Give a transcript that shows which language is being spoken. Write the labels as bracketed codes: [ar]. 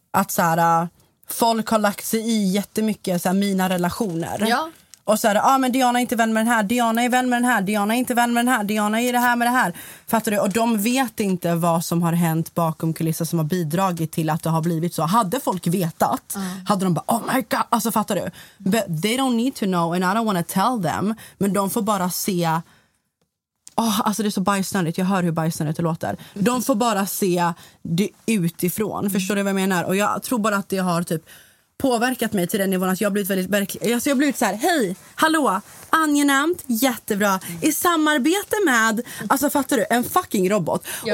[sv] Att så här, folk har lagt sig i jättemycket så här, mina relationer. Ja. Och så här, men Diana är inte vän med den här. Diana är vän med den här. Diana är inte vän med den här. Diana är det här med det här. Fattar du? Och de vet inte vad som har hänt bakom kulissen som har bidragit till att det har blivit så. Hade folk vetat, hade de bara, [en] oh my god. [sv] Alltså, fattar du? [en] But they don't need to know and I don't want to tell them. [sv] Men de får bara se... alltså det är så bajsnödigt. Jag hör hur bajsnödigt det låter. De får bara se det utifrån. Förstår du vad jag menar? Och jag tror bara att det har typ... påverkat mig till den nivån att jag blivit väldigt verklig. Alltså jag har blivit så här: hej, hallå, angenämt, jättebra, i samarbete med, alltså fattar du, en fucking robot. Ja.